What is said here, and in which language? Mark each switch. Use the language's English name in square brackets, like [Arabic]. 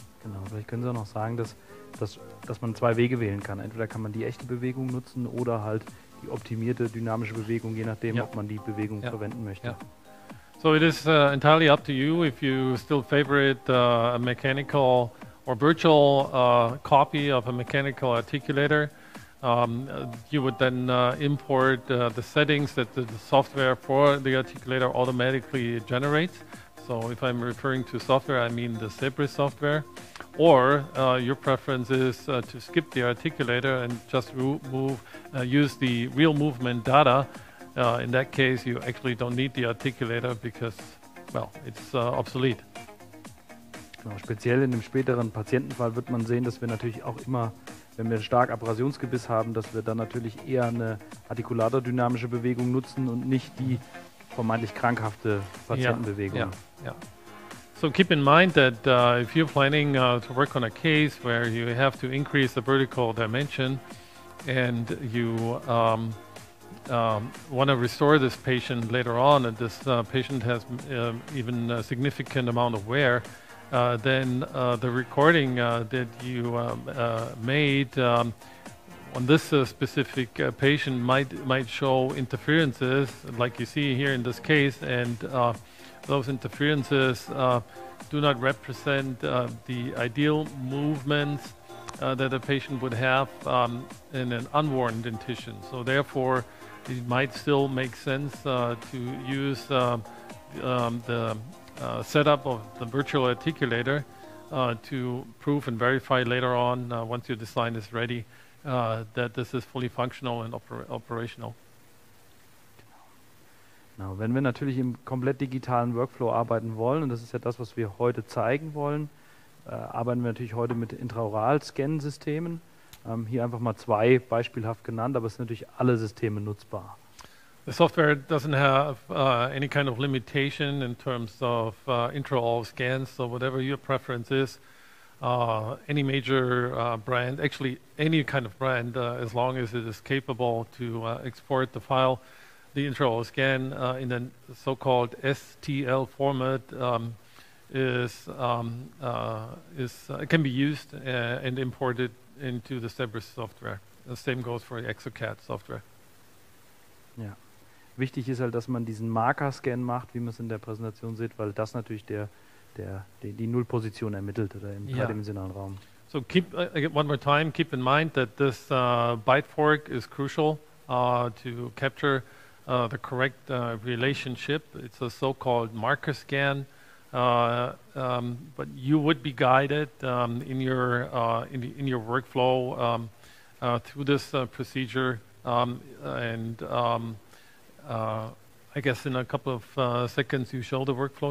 [German] Genau, vielleicht können Sie auch noch sagen, dass man zwei Wege wählen kann. Entweder kann man die echte Bewegung nutzen oder halt die optimierte dynamische Bewegung, je nachdem, ob man die Bewegung verwenden möchte. [English] Yeah. So it is entirely up to you if you still favorite a mechanical or virtual copy of a mechanical articulator. You would then import the settings that the software for the articulator automatically generates. So if I'm referring to software, I mean the zebris software. Or your preference is to skip the articulator and just use the real movement data. In that case, you actually don't need the articulator because, well, it's obsolete. [German] Genau, speziell in dem späteren Patientenfall wird man sehen, dass wir natürlich auch immer, wenn wir ein stark Abrasionsgebiss haben, dass wir dann natürlich eher eine artikulatordynamische Bewegung nutzen und nicht die vermeintlich krankhafte Patientenbewegung. [English] Yeah, yeah, yeah. So keep in mind that if you're planning to work on a case where you have to increase the vertical dimension and you want to restore this patient later on and this patient has even a significant amount of wear, then the recording that you made on this specific patient might show interferences, like you see here in this case, and those interferences do not represent the ideal movements that a patient would have in an unwarranted incision. So therefore, it might still make sense to use setup of the virtual articulator to prove and verify later on, once your design is ready, that this is fully functional and operational. [German] Now, wenn wir natürlich im komplett digitalen Workflow arbeiten wollen, und das ist ja das, was wir heute zeigen wollen, arbeiten wir natürlich heute mit Intraoral-Scan-Systemen. Hier einfach mal zwei beispielhaft genannt, aber es sind natürlich alle Systeme nutzbar. [English] The software doesn't have any kind of limitation in terms of intraoral scans, so whatever your preference is, any major brand, actually any kind of brand, as long as it is capable to export the file, the intraoral scan in the so-called STL format it can be used and imported into the zebris software. The same goes for the exocad software. [German] Ja. Wichtig ist halt, dass man diesen Marker-Scan macht, wie man es in der Präsentation sieht, weil das natürlich die Nullposition ermittelt oder im dreidimensionalen Raum. [English] So keep in mind that this byte fork is crucial to capture the correct relationship. It's a so-called marker scan, but you would be guided in your workflow through this procedure, and I guess in a couple of seconds you show the workflow.